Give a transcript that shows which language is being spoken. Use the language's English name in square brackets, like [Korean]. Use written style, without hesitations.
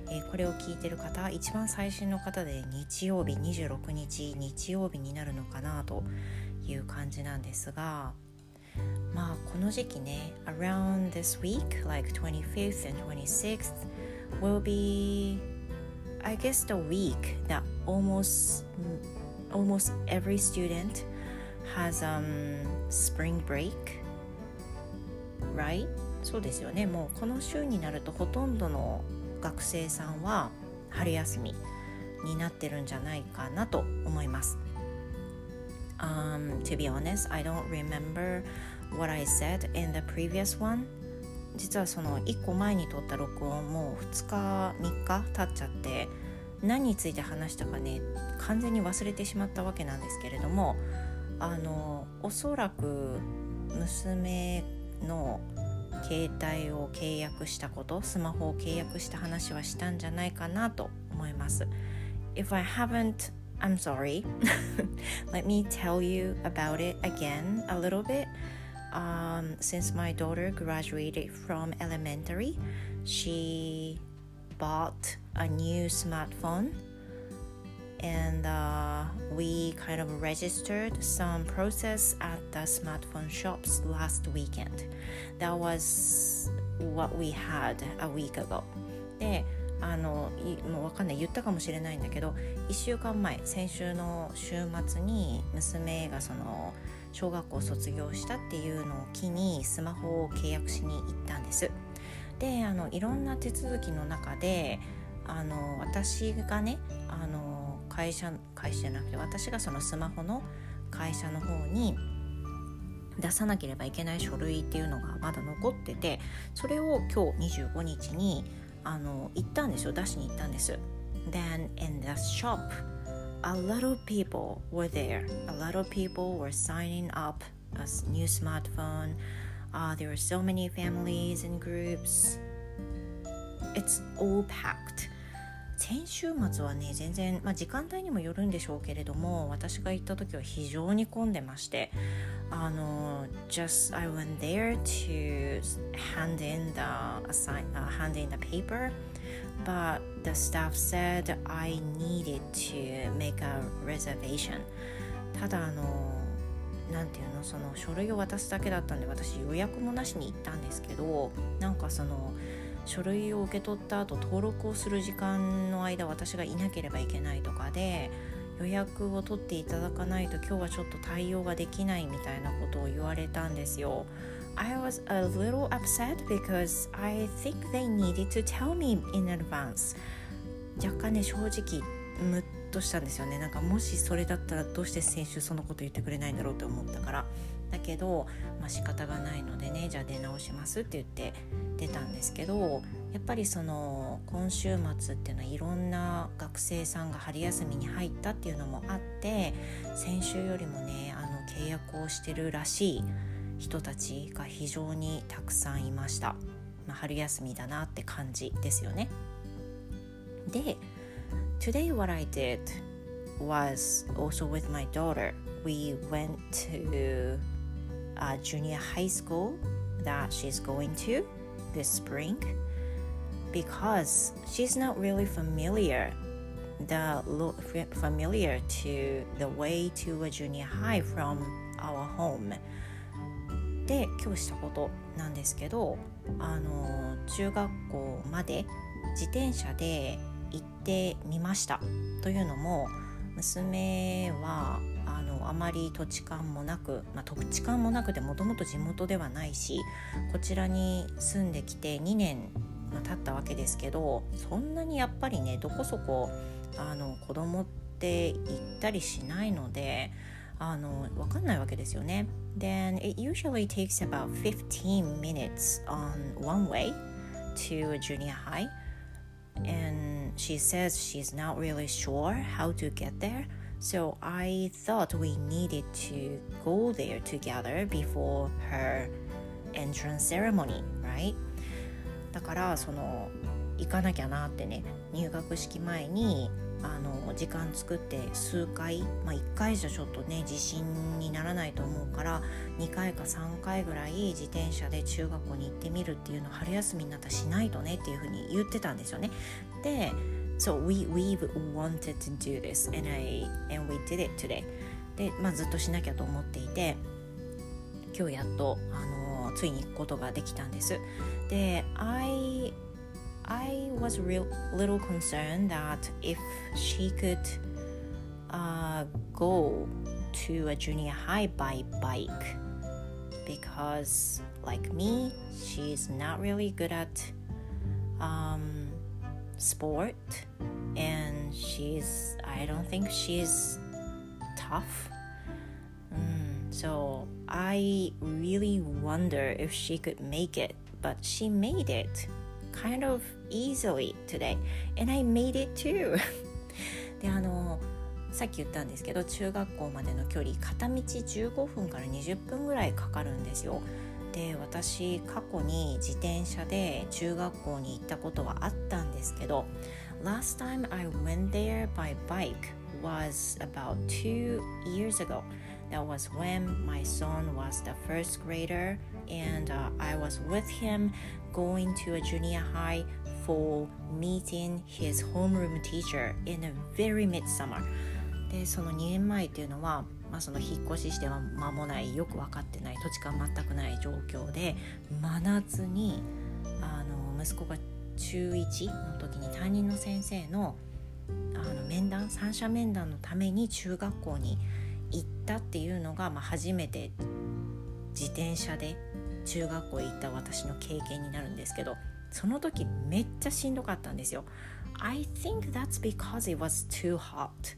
[Japanese] これを聞いてる方、一番最新の方で日曜日、26日日曜日になるのかなという感じなんですが、まあこの時期ね、 [English] around this week like 25th and 26th will be I guess the week that almost every student has spring break, right? [Japanese] そうですよね、もうこの週になるとほとんどの学生さんは春休みになってるんじゃないかなと思います。 [English] To be honest, I don't remember what I said in the previous one. [Japanese] 実はその1個前に撮った録音もう2日、3日経っちゃって、何について話したかね、完全に忘れてしまったわけなんですけれども、おそらく娘の携帯を契約したこと、スマホを契約した話はしたんじゃないかなと思います。 [English] If I haven't, I'm sorry. Let me tell you about it again a little bit. Since my daughter graduated from elementary, she bought a new smartphone and we kind of registered some process at the smartphone shops last weekend. That was what we had a week ago. [Japanese] で、もう分かんない、言ったかもしれないんだけど、1週間前、先週の週末に娘がその小学校卒業したっていうのを機にスマホを契約しに行ったんです。で、いろんな手続きの中で、私がね、会社じゃなくて、私がそのスマホの会社の方に出さなければいけない書類っていうのがまだ残ってて、それを今日25日に行ったんですよ、出しに行ったんです。 [English] Then in the shop a lot of people were there, a lot of people were signing up a new smartphone, there were so many families and groups, It's all packed. [Japanese] 先週末はね、全然、まあ、時間帯にもよるんでしょうけれども、私が行った時は非常に混んでまして、 [English] I went there to hand in the hand in the paper, but the staff said I needed to make a reservation. [Japanese] ただなんていうの、その書類を渡すだけだったんで、私予約もなしに行ったんですけど、なんかその書類を受け取った後、登録をする時間の間私がいなければいけないとかで、予約を取っていただかないと今日はちょっと対応ができないみたいなことを言われたんですよ。 [English] I was a little upset because I think they needed to tell me in advance. [Japanese] 若干ね、正直ムッとしたんですよね。なんかもしそれだったらどうして先週そのこと言ってくれないんだろうって思ったから。だけど、まあ、仕方がないのでね、じゃあ出直しますって言って出たんですけど、やっぱりその今週末っていうのはいろんな学生さんが春休みに入ったっていうのもあって、先週よりもね、あの契約をしてるらしい人たちが非常にたくさんいました。まあ、春休みだなって感じですよね。 [English] で、 Today what I did was also with my daughter. We went to a junior high school that she's going to this spring. Because she's not really familiar to the way to a junior high from our home. [Japanese] で、今日したことなんですけど、中学校まで自転車で行ってみました。というのも、娘はあまり土地勘もなく、まあ、土地勘もなくてもともと地元ではないし、こちらに住んできて2年経ったわけですけど、そんなにやっぱりね、どこそこ子供って行ったりしないので、わかんないわけですよね。 [English] Then it usually takes about 15 minutes on one way to a junior high, and she says she's not really sure how to get there, so I thought we needed to go there together before her entrance ceremony, right? [Japanese] だから、その行かなきゃなってね、入学式前に時間作って、数回、まあ、1回じゃちょっとね自信にならないと思うから、2回か3回ぐらい自転車で中学校に行ってみるっていうのを春休みになったらしないとねっていうふうに言ってたんですよね。で、 [English] So we've wanted to do this and we did it today. [Japanese] で、まあ、ずっとしなきゃと思っていて、今日やっとついに行くことができたんです。で、 [English] I was little concerned that if she could go to a junior high by bike, because like me, she's not really good at sport, and I don't think she's tough. So I really wonder if she could make it. But she made it kind of easily today. And I made it too. [Japanese] で、さっき言ったんですけど、中学校までの距離、片道15分から20分ぐらいかかるんですよ。で、私、過去に自転車で中学校に行ったことはあったんですけど、 [English] Last time I went there by bike was about 2 years ago. That was when my son was the first grader, and I was with him going to a junior high for meeting his homeroom teacher in a very midsummer. [Japanese] で、その2年前っていうのは、まあ、その引っ越ししては間もない、よく分かってない、土地勘全くない状況で、真夏に息子が中1の時に担任の先生の面談、三者面談のために中学校に行ったっていうのが、まあ、初めて自転車で中学校行った私の経験になるんですけど、その時めっちゃしんどかったんですよ。 [English] I think that's because it was too hot.